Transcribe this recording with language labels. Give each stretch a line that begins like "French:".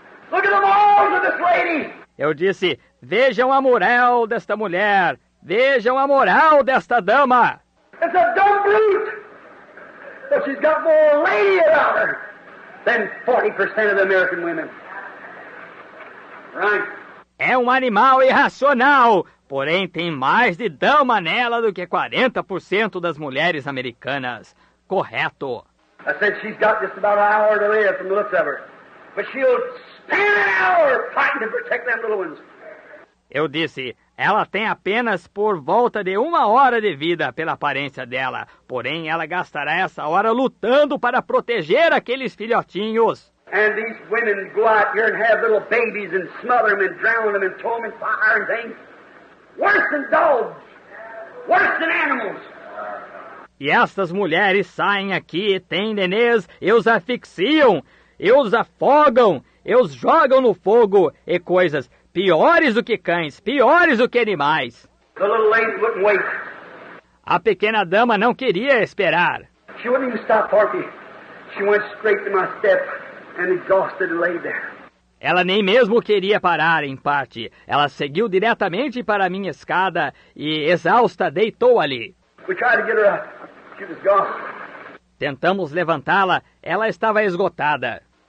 English: Look at the morals of this lady.
Portuguese: Eu disse, vejam a moral desta mulher. Vejam a moral desta dama.
English: It's a dumb brute. But she's got more lady about her than 40% of the American women. Right?
Portuguese: É um animal irracional, porém tem mais de dama nela do que 40% das mulheres americanas. Correto.
English: I said she's got just about an hour to live from the looks of her. But she'll spend an hour fighting to protect them little ones.
Portuguese: Eu disse, ela tem apenas por volta de uma hora de vida pela aparência dela. Porém, ela gastará essa hora lutando para proteger aqueles filhotinhos.
English: And these women go out here and have little babies and smother them and drown them and throw them in fire and things. Worse than dogs. Worse than animals.
Portuguese: E estas mulheres saem aqui e têm nenês e os asfixiam. E os afogam. E os jogam no fogo e coisas piores do que cães, piores do que animais.
English: The little lady wouldn't wait.
Portuguese: A pequena dama não queria esperar.
English: She wouldn't even stop barking. She went straight to my step and exhausted lay there.
Portuguese: Ela nem mesmo queria parar, em parte. Ela seguiu diretamente para a minha escada e, exausta, deitou ali.
English: We tried to get her up. She was gone.
Portuguese: Tentamos levantá-la, ela estava esgotada.